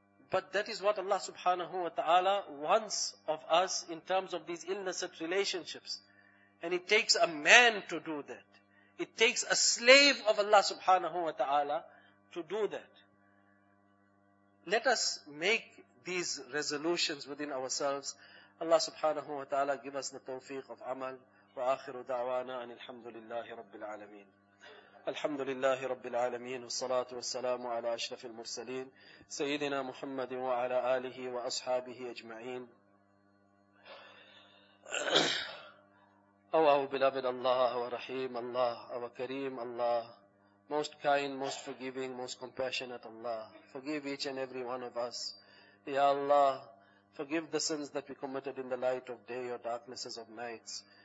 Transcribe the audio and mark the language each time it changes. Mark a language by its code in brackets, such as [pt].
[en] But that is what Allah subhanahu wa ta'ala wants of us in terms of these illicit relationships. And it takes a man to do that. It takes a slave of Allah subhanahu wa ta'ala to do that. Let us make these resolutions within ourselves. Allah subhanahu wa ta'ala give us the tawfiq of amal. [ar] وآخر دعوانا أن الحمد لله رب العالمين الحمد لله رب العالمين والصلاة والسلام على أشرف المرسلين سيدنا محمد وعلى آله وأصحابه أجمعين. [en] Oh our beloved Allah, our Rahim, Allah, our Kareem, Allah, most kind, most forgiving, most compassionate Allah. Forgive each and every one of us. Ya Allah, forgive the sins that we committed in the light of day or darknesses of nights.